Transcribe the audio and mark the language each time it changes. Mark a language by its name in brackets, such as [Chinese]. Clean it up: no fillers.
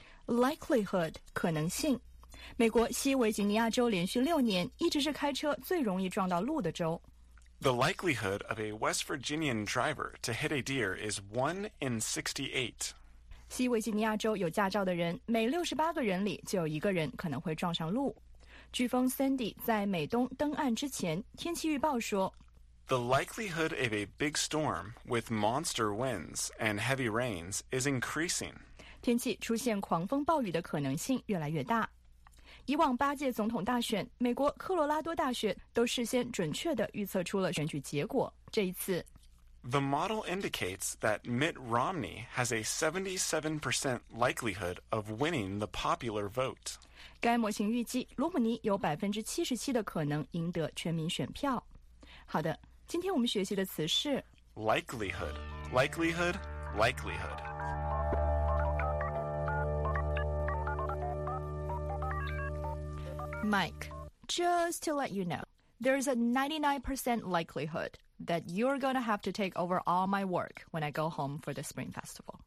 [Chinese] Likelihood, 可能性。美国西维吉尼亚州连续六年一直是开车最容易撞到鹿的州。 [English] The likelihood of a West Virginian driver to hit a deer is 1 in 68. [Chinese] 西维吉尼亚州有驾照的人每68个人里就有一个人可能会撞上鹿。飓风 Sandy 在美东登岸之前，天气预报说 [English] The likelihood of a big storm with monster winds and heavy rains is increasing. [Chinese] 天气出现狂风暴雨的可能性越来越大。以往八届总统大选，美国科罗拉多大学都事先准确地预测出了选举结果。这一次 [English] The model indicates that Mitt Romney has a 77% likelihood of winning the popular vote. [Chinese] 该模型预计罗姆尼有77%的可能赢得全民选票。好的，今天我们学习的词是 [English] likelihood, likelihood, likelihood. Mike, just to let you know, there's a 99% likelihood that you're going to have to take over all my work when I go home for the Spring Festival.